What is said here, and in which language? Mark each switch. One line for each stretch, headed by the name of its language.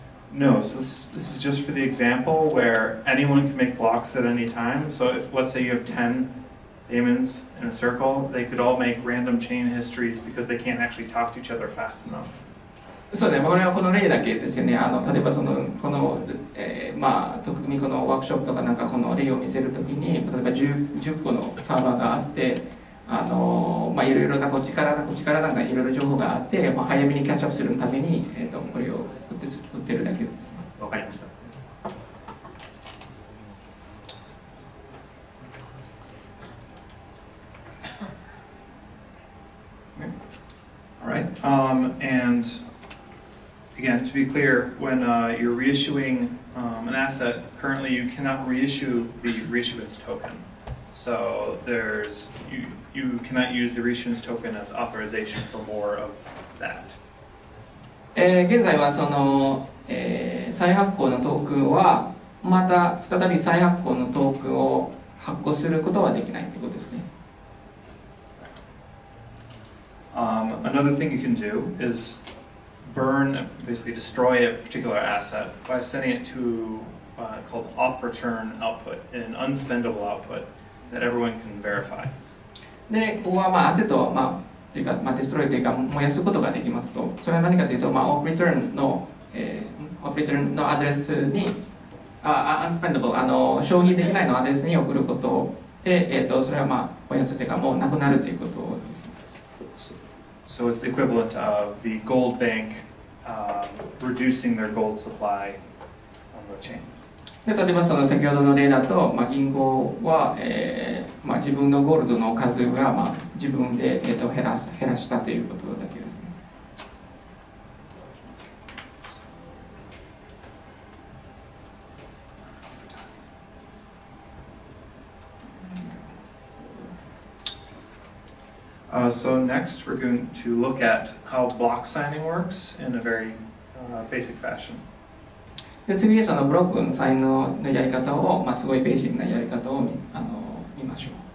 English: No, so this is just for the example where anyone can make blocks at any time. So if let's say you have 10 daemons in a circle, they could all make random chain histories because they can't actually talk to each other fast enough.
Japanese: そうね、これはこの例だけですよね。例えばそのこの、まあ、特にこのワークショップとかなんかこの例を見せるときに、例えば 10個のサーバーがあって、まあ、いろいろなこっちからこっちからなんかいろいろ情報があって、まあ、早めにキャッチアップするために、これを打ってるだけです。わかりました。
English: Alright, and again, to be clear, when you're reissuing an asset, currently you cannot reissue the reissuance token. So there's you cannot use the reissuance token as authorization for more of that.
Japanese: 現在はその、再発行のトークンはまた再び再発行のトークンを発行することはできないということですね。
English: Another thing you can do is burn, basically destroy a particular asset by sending it to called op return output, an unspendable output. That everyone can verify.
Japanese: で、ここはまあアセットまあというかまあデストロイというか燃やすことができますと、それは何かというとまあオフリターンの、オフリターンのアドレスにアンスペンダブル消費できないのアドレスに送ることで、それはまあ燃やすというかもうなくなるということです。
English: So it's the equivalent of the gold bank reducing their gold supply on the chain.
Japanese: で例えばその先ほどの例だと、まあ、銀行は、まあ、自分のゴールドの数が、まあ、自分で、減らしたということだけですね。
English: So next we're going to look at how block signing works in a very basic fashion.
Japanese: で次はそのブロックのサインのやり方を、まあ、すごいベーシックなやり方を 見ましょう。